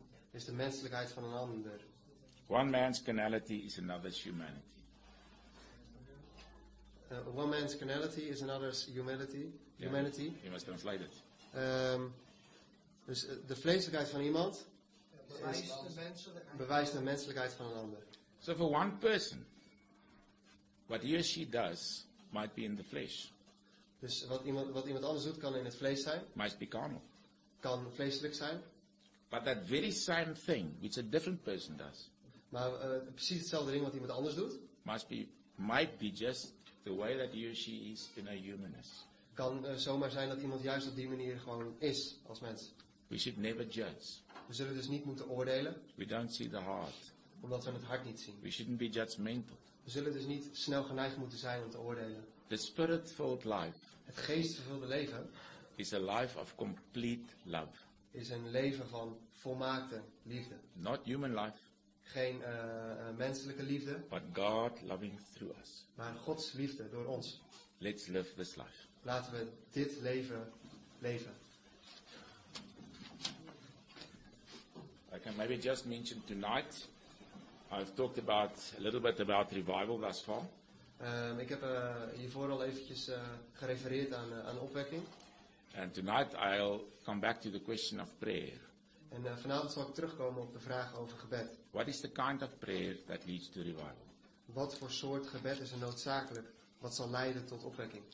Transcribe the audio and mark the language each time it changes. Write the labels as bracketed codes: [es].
[nl] Is de menselijkheid van een ander. [en] One man's carnality is another's humanity. One man's carnality is another's humanity. Yeah, humanity. You must translate it. [nl] Dus de vleeselijkheid van iemand. Bewijst de menselijkheid van een ander. [en] So for one person, what he or she does might be in the flesh. [nl] Dus wat iemand anders doet kan in het vlees zijn. [en] Might be carnal. [nl] Kan vleeselijk zijn. [en] But that very same thing which a different person does. [nl] Maar precies hetzelfde ding wat iemand anders doet. [en] Might be just the way that he or she is in a humanness. [nl] Kan zomaar zijn dat iemand juist op die manier gewoon is als mens. [en] We should never judge. [nl] We zullen dus niet moeten oordelen. [en] We don't see the heart. [nl] Omdat we het hart niet zien. [en] We shouldn't be judgmental. [nl] We zullen dus niet snel geneigd moeten zijn om te oordelen. [en] The spirit-filled life. [nl] Het geestvervulde leven. [en] Is a life of complete love. [nl] Is een leven van volmaakte liefde. [en] Not human love. [nl] Geen menselijke liefde. [en] But God loving through us. [nl] Maar Gods liefde door ons. [en] Let's live this life. [nl] Laten we dit leven leven. [en] I can maybe just mention tonight. I've talked about a little bit about revival thus far. [nl] Ik heb hiervoor al eventjes gerefereerd aan opwekking. [en] And tonight I'll come back to the question of prayer. [nl] En vanavond zal ik terugkomen op de vraag over gebed. [en] What is the kind of prayer that leads to revival? [nl] Wat voor soort gebed is er noodzakelijk? Wat zal leiden tot opwekking?